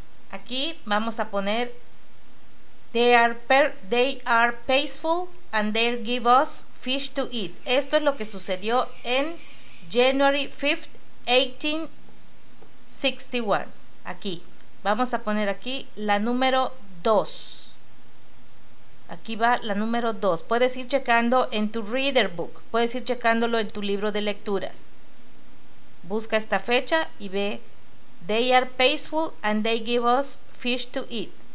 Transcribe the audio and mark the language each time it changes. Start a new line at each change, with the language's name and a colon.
Spanish: Aquí vamos a poner
English: they are peaceful and they give us fish to eat.
Spanish: Esto es lo que sucedió en
English: January 5th, 1861.
Spanish: Aquí. Vamos a poner aquí la número 2. Aquí va la número 2. Puedes ir checando en tu reader book. Puedes ir checándolo en tu libro de lecturas. Busca esta fecha y ve.
English: They are peaceful and they give us fish to eat.